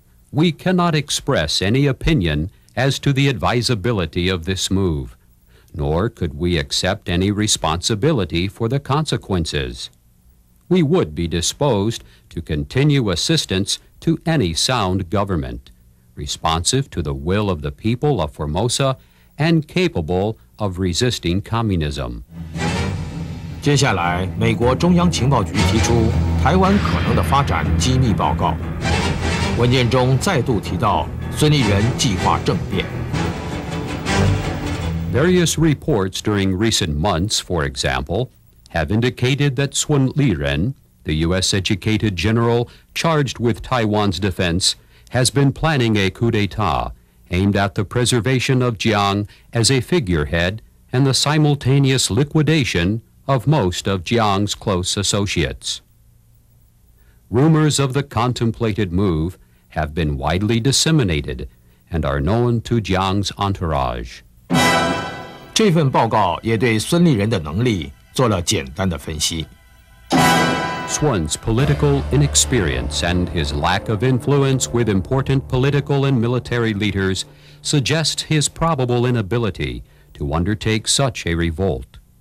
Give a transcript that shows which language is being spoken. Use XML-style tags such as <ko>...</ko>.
<en>We cannot express any opinion as to the advisability of this move, nor could we accept any responsibility for the consequences. We would be disposed to continue assistance to any sound government, responsive to the will of the people of Formosa and capable of resisting communism.</en> <zh>接下来，美国中央情报局提出台湾可能的发展机密报告。文件中再度提到孙立人计划政变。</zh> <en>Various reports during recent months, for example, have indicated that Sun Li Ren, the U.S. educated general charged with Taiwan's defense, has been planning a coup d'etat aimed at the preservation of Jiang as a figurehead and the simultaneous liquidation of most of Jiang's close associates. Rumors of the contemplated move have been widely disseminated and are known to Jiang's entourage.</en> <zh>这份报告也对孙立人的能力做了简单的分析。</zh> <en>Sun's political inexperience and his lack of influence with important political and military leaders suggest his probable inability to undertake such a revolt.</en>